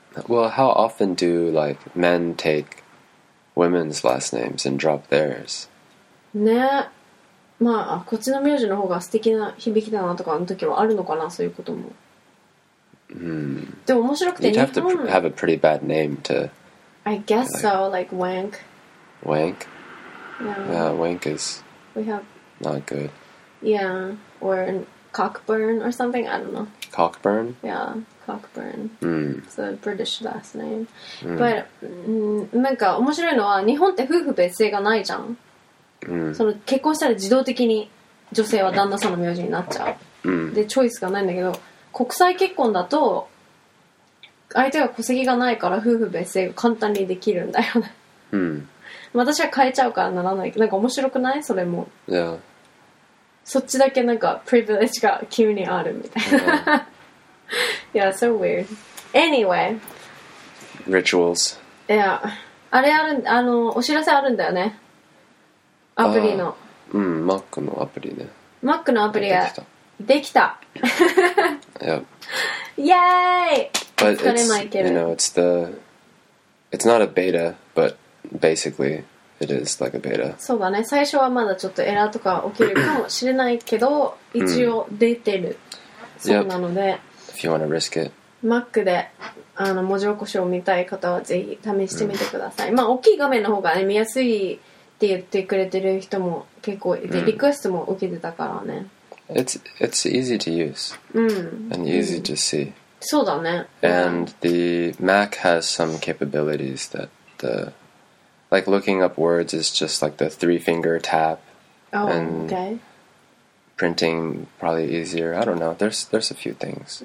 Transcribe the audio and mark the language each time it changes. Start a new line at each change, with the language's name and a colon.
English: Well, how often do, like, men take women's last names and drop theirs?
Japanese: ね、まあ、こっちの名字の方が素敵な響きだなとかの時はあるのかな、そういうことも。 Mm. でも面白くて、
English: You'd have to have a pretty bad name to... I guess like, so, like Wank. Wank? Yeah. Yeah, Wank is we have... not good. Yeah, or Cockburn or something, I don't know. Cockburn? Yeah. Cockburn. Mm. It's a British last name. Mm.
Japanese: But, なんか面白いのは日本って夫婦別姓がないじゃん。その結婚したら自動的に女性は旦那さんの名字になっちゃう。で、チョイスがないんだけど、国際結婚だと相手が戸籍がないから夫婦別姓が簡単にできるんだよね。うん。私は変えちゃうからならないけど、なんか面白くない？それも。
English: Yeah.
Japanese: そっちだけなんかプリビレッジが急にあるみたいな。
English: Yeah, so weird. Anyway. Rituals.
Japanese: Yeah. あれある、あの、お知らせあるんだよね。アプリの。うん、Mac のアプリね。 Mac のアプリが、できた。
English: Yay! But it's, you know, it's not a beta, but basically, it is like a beta.
Japanese: そうだね。最初はまだちょっとエラーとか起きるかもしれないけど、一応出てる。そうなので。
English: If you want to risk it.
Japanese: Mac で、あの、文字起こしを見たい方はぜひ試してみてください。まあ、大きい画面の方が、ね、見やすいって言ってくれてる人も結構いて、リクエストも受けてたからね。
English: It's easy to use. And easy to see.
Japanese: そうだね。
English: And the Mac has some capabilities that the... Like looking up words is just like the three-finger tap. Oh, okay. printing probably easier. I don't know. There's a few things.